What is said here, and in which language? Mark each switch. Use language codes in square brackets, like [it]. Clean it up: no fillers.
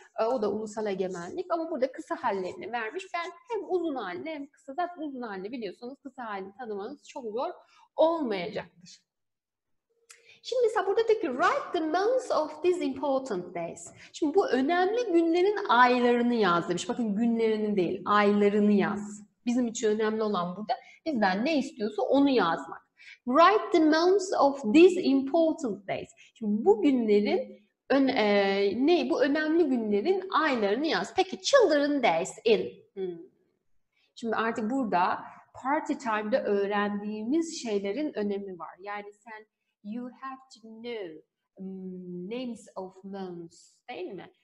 [tr] O da ulusal egemenlik. Ama burada kısa hallerini vermiş. Ben hem uzun halini hem kısa, zaten uzun halini biliyorsunuz, kısa halini tanımanız çok zor olmayacaktır. Şimdi mesela burada diyor ki, [en] write the months of these important days. [tr] Şimdi bu önemli günlerin aylarını yaz demiş. Bakın günlerini değil, aylarını yaz. Bizim için önemli olan burada bizden ne istiyorsa onu yazmak. [en] Write the months of these important days. [tr] Şimdi bu günlerin bu önemli günlerin aylarını yaz. Peki children days in. Şimdi artık burada party time'da öğrendiğimiz şeylerin önemi var. Yani sen [en] you have to know names of months [tr] değil mi?